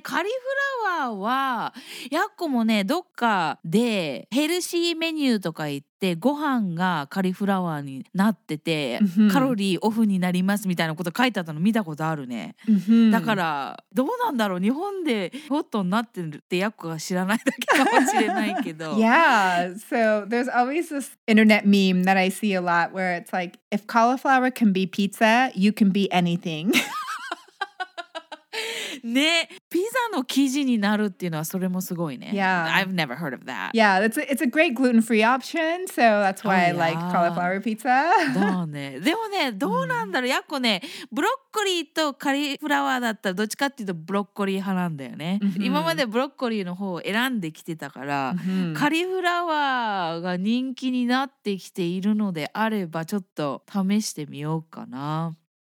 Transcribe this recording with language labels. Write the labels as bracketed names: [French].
[Japanese] カリフラワーはやっこもね、どっかでヘルシーメニューとか言ってご飯がカリフラワーになってて、mm-hmm. カロリーオフになりますみたいなこと書いてあったの見たことあるね。 Mm-hmm. だからどうなんだろう、日本でホットになってるってやっこが知らないだけかもしれないけど。 [English] Yeah, so there's always this internet meme that I see a lot where it's like, if cauliflower can be pizza,You can be anything. [Japanese] ね、ピザの生地になるっていうのはそれもすごいね。 [English] Yeah. I've never heard of that. Yeah, it's a great gluten-free option, so that's why I like cauliflower pizza. [Japanese] だね。でもね、どうなんだろう。やっこね、ブロッコリーとカリフラワーだったらどっちかっていうとブロッコリー派なんだよね。 Mm-hmm. 今までブロッコリーの方を選んできてたから、mm-hmm. カリフラワーが人気になってきているのであればちょっと試してみようかな。